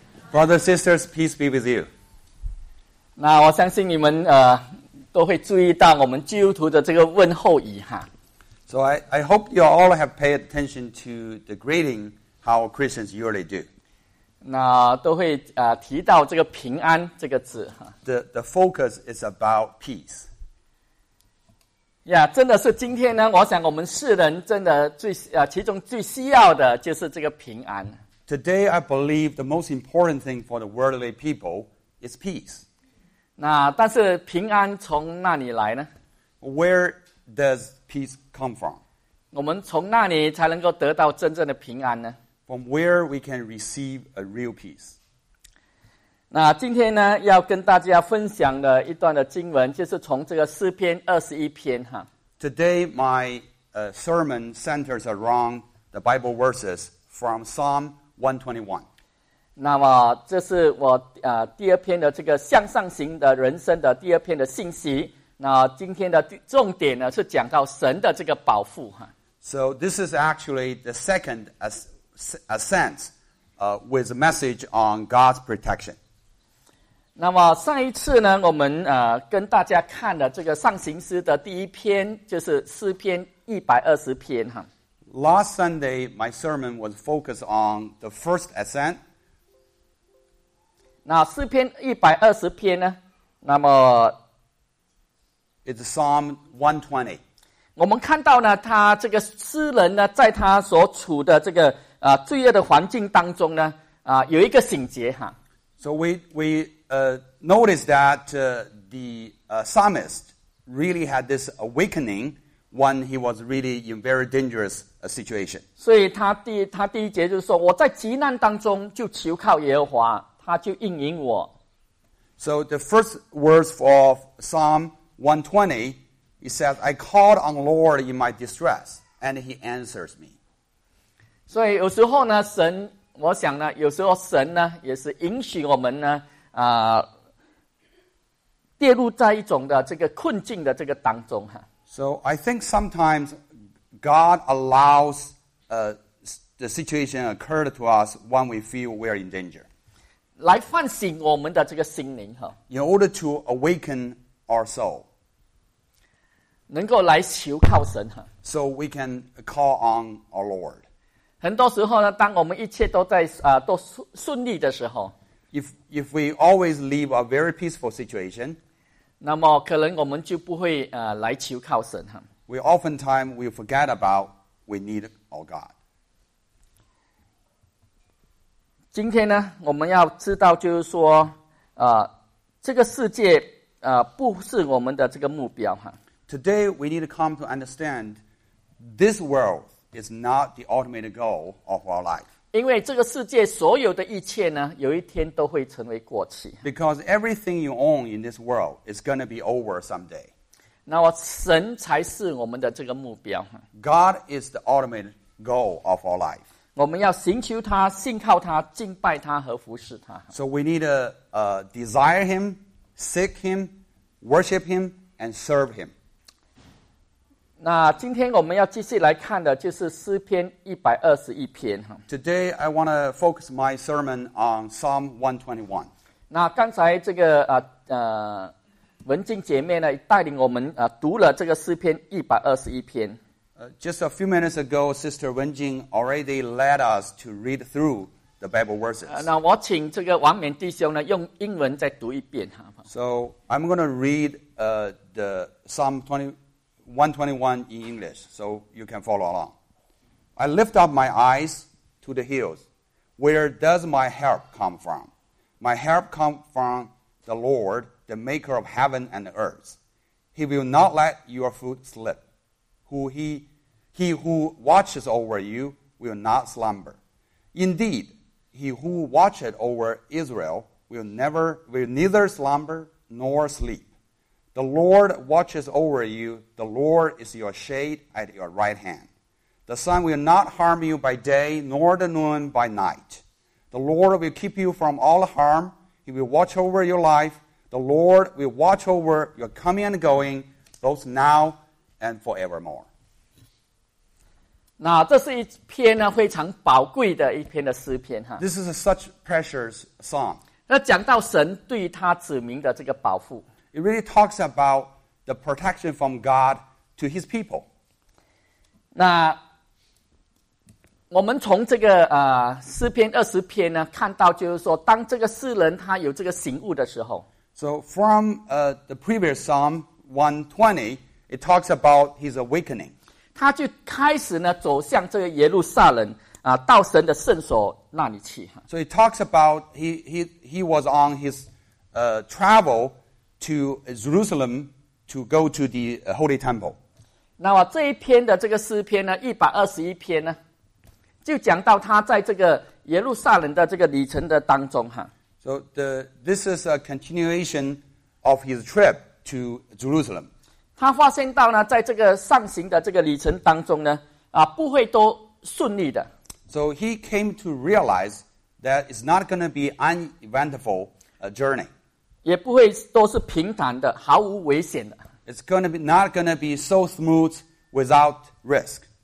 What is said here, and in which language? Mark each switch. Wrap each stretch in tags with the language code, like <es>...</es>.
<en>Brothers, sisters, peace be with you.</en> <zh>那我相信你们都会注意到我们基督徒的这个问候语哈。</zh> <en>So I hope you all have paid attention to the greeting how Christians usually do.</en> <zh>那都会提到这个平安这个字哈。</zh> <en>The focus is about peace.</en> <zh>Yeah, 真的是今天呢，我想我们世人真的最其中最需要的就是这个平安。</zh> <en>Today, I believe the most important thing for the worldly people is peace.</en> <zh>那但是平安从哪里来呢？</zh> <en>Where does peace come from?</en> <zh>我们从哪里才能够得到真正的平安呢？</zh> <en>From where we can receive a real peace.</en> <zh>那今天呢，要跟大家分享的一段的经文，就是从这个诗篇二十一篇哈。</zh> <en>Today, my sermon centers around the Bible verses from Psalm 121.</en> <zh>那么这是我第二篇的这个向上行的人生的第二篇的信息。那今天的重点呢是讲到神的这个宝父哈。</zh> <en>So this is actually the second ascent with a message on God's protection.</en> <zh>那么上一次呢，我们跟大家看的这个上行诗的第一篇就是诗篇一百二十篇哈。</zh> <en>Last Sunday, my sermon was focused on the first ascent.</en> <zh>那诗篇一百二十篇呢？那么</zh> <en>，It's Psalm 120.</en> <zh>我们看到呢，他这个诗人呢，在他所处的这个罪恶的环境当中呢，有一个醒觉哈。</zh> <en>So we notice that the psalmist really had this awakening when he was really in very dangerous situation.</en> <zh>所以他第一节就是说，我在极难当中就求靠耶和华，他就应允我。</zh> <en>So the first words of Psalm 120, he says, I called on the Lord in my distress, and he answers me.</en> <zh>所以有时候呢，神，我想呢，有时候神呢，也是允许我们呢，跌入在一种的这个困境的这个当中哈。</zh> <en>So I think sometimes God allows the situation occur to us when we feel we are in danger.</en> <zh>来唤醒我们的这个心灵哈。</zh> <en>In order to awaken our soul.</en> <zh>能够来求靠神哈。</zh> <en>So we can call on our Lord.</en> <zh>很多时候呢，当我们一切都在都顺利的时候。</zh> <en>If we always live a very peaceful situation,</en> <zh>那么可能我们就不会来求靠神哈。</zh> <en>We oftentimes we forget about we need our God.</en> <zh>今天呢，我们要知道就是说，这个世界不是我们的这个目标哈。</zh> <en>Today we need to come to understand this world is not the ultimate goal of our life.</en> <zh>因为这个世界所有的一切呢，有一天都会成为过去。</zh> <en>Because everything you own in this world is going to be over someday.</en> <zh>那么神才是我们的这个目标。</zh> <en>God is the ultimate goal of our life.</en> <zh>我们要寻求他，信靠他，敬拜他和服侍他。</zh> <en>So we need to desire him, seek him, worship him, and serve him.</en> <zh>那今天我们要继续来看的就是诗篇一百二十一篇。</zh> <en>Today I want to focus my sermon on Psalm 121.</en> <zh>那刚才这个文静姐妹呢带领我们读了这个诗篇一百二十一篇。</zh> <en>Just a few minutes ago, Sister Wen Jing already led us to read through the Bible verses.</en> <zh>那我请这个王冕弟兄呢用英文再读一遍。</zh> <en>So I'm going to read the Psalm 121 in English, so you can follow along. I lift up my eyes to the hills. Where does my help come from? My help comes from the Lord, the maker of heaven and earth. He will not let your foot slip. He who watches over you will not slumber. Indeed, he who watches over Israel will neither slumber nor sleep. The Lord watches over you. The Lord is your shade at your right hand. The sun will not harm you by day, nor the moon by night. The Lord will keep you from all harm. He will watch over your life. The Lord will watch over your coming and going, both now and forevermore.</en> <zh>那这是一篇呢非常宝贵的一篇的诗篇哈。</zh> <en>This is a such precious song.</en> <zh>那讲到神对他子民的这个保护。</zh> <en>It really talks about the protection from God to His people.</en> <zh>那我们从这个诗篇二十篇呢看到，就是说当这个世人他有这个醒悟的时候。</zh> <en>So from the previous Psalm 120, it talks about his awakening.</en> <zh>他就开始呢走向这个耶路撒冷啊，到神的圣所那里去。</zh> <en>So it talks about he was on his travel to Jerusalem to go to the holy temple.</en> <zh>那么这一篇的这个诗篇呢，一百二十一篇呢，就讲到他在这个耶路撒冷的这个旅程的当中哈。</zh> <en>So this is a continuation of his trip to Jerusalem.</en> <zh>他发现到呢，在这个上行的这个旅程当中呢，不会都顺利的。</zh> <en>So he came to realize that it's not going to be an uneventful journey.</en> <zh>也不会都是平坦的，毫无危险的。</zh> <en>It's not going to be so smooth without risk.</en>